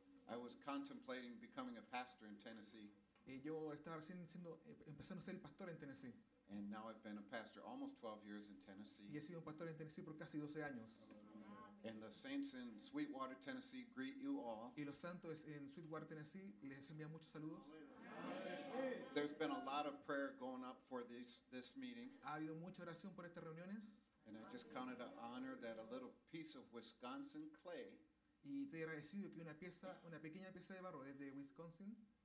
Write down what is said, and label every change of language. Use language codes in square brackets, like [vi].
[en] I was contemplating becoming a pastor in Tennessee. [es] Y yo estaba recién siendo empezando a ser el pastor en Tennessee. [en] And now I've been a pastor almost 12 years in Tennessee. [es] Y he sido un pastor en Tennessee por casi 12 años. [en] And the saints in Sweetwater, Tennessee greet you all. [es] Y los santos en Sweetwater, Tennessee les envían muchos saludos. [en] There's been a lot of prayer going up for this meeting. [es] Ha habido mucha oración por estas reuniones. [en] And I just counted an honor that a little piece of Wisconsin clay. [es] Y estoy agradecido que una pequeña pieza de barro desde Wisconsin